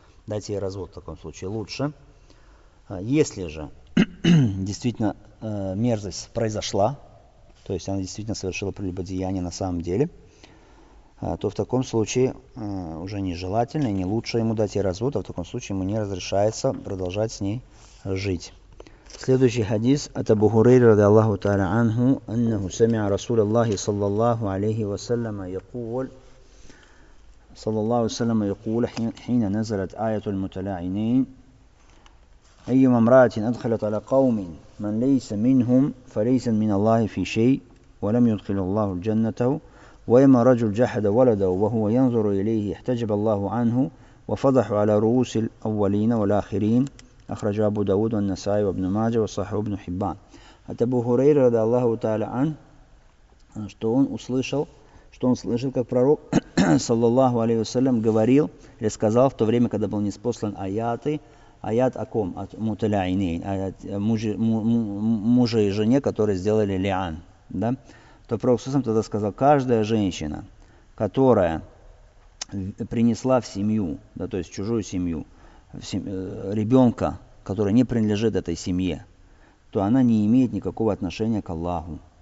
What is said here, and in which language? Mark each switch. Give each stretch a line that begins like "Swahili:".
Russian: Дать ей развод в таком случае лучше. Если же действительно мерзость произошла, то есть она действительно совершила прелюбодеяние на самом деле, то в таком случае уже нежелательно и не лучше ему дать ей развод, а в таком случае ему не разрешается продолжать с ней жить. Следующий хадис от
Arabic: Абу Хурейры ради Аллаху Та'аля анху, аннаху самиа Расуля Аллахи саллаллаху алейхи вассаляма якуль, саллаллаху саляма якуль, хина назалат аятуль муталяйнин, أيما امرأة أدخلت على قوم من ليس منهم فليس من الله في شيء ولم يدخل الله الجنة وإما رجل جحد ولده وهو ينظر إليه احتجب الله عنه وفضح على رؤوس الأولين والآخرين أخرج أبو داود والنسائي وابن ماجه وصححه ابن حبان حتى أبو هريرة رضي الله تعالى عنه
Russian: что он слышал, как пророк, саллаллаху алейхи вассалям, говорил или сказал в то время, когда был ниспослан аяты, аят о ком? От муталяйнейн, мужа и жене, которые сделали лиан. Да? То Пророк Сусам тогда сказал, каждая женщина, которая принесла в семью, да, то есть в чужую семью, ребенка, который не принадлежит этой семье, то она не имеет никакого отношения к Аллаху.